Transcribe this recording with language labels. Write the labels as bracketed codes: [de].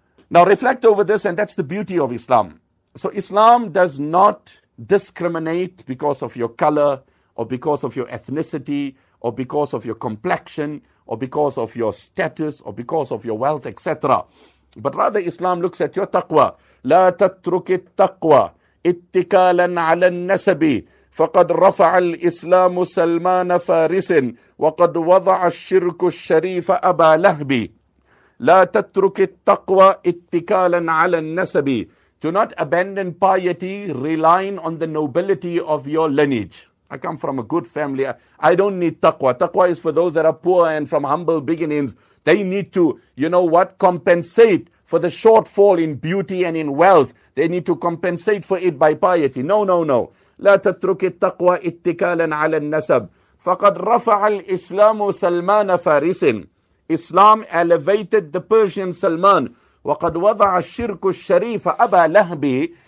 [en] Now reflect over this, and that's the beauty of Islam. So Islam does not discriminate because of your color, or because of your ethnicity, or because of your complexion, or because of your status, or because of your wealth, etc. But rather Islam looks at your taqwa. [ar] لا تترك التقوى اتكالا على النسب فقد رفع الإسلام سلمان فارس وقد وضع الشرك الشريف أبا لهب. لا تترك التقوى اتكالا على النسب. [en] Do not abandon piety relying on the nobility of your lineage. I come from a good family. I don't need taqwa. Taqwa is for those that are poor and from humble beginnings. They need to, you know what, compensate for the shortfall in beauty and in wealth. They need to compensate for it by piety. No, no, no. [ar] لا تترك التقوى اتكالا على النسب. فقد رفع الإسلام سلمان فارس. [en] Islam elevated the Persian Salman. [ar] وَقَدْ وَضَعَ الشِّرْكُ الشَّرِيفَ أَبَا لَهْبِ.